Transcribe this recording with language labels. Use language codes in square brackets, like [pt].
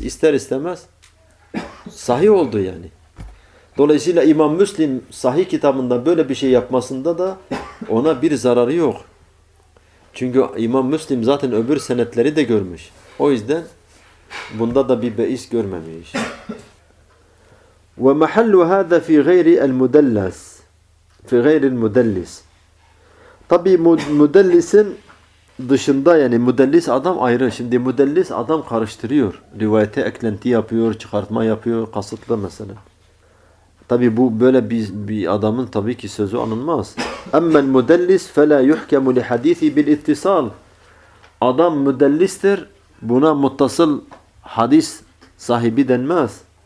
[tr] İster istemez sahih oldu yani. Dolayısıyla İmam Müslim sahih kitabında böyle bir şey yapmasında da ona bir zararı yok. Çünkü İmam Müslim zaten öbür senetleri de görmüş. O yüzden bunda da bir beis görmemiş. [ar] وَمَحَلُّ هَذَا فِي غَيْرِ الْمُدَلَّسِ فِي غَيْرِ الْمُدَلِّسِ [tr] Tabii müdellisin dışında yani müdellis adam ayrı. Şimdi müdellis adam karıştırıyor. Rivayete eklenti yapıyor, çıkartma yapıyor, kasıtlı mesela. Tabi bu böyle bir adamın tabii ki sözü anılmaz. [ar] اَمَّا الْمُدَلِّسِ فَلَا يُحْكَمُ لِحَد۪يثِ بِالْاِتِّصَالِ [tr] Adam müdellistir, buna muttasıl hadis sahibi denmez.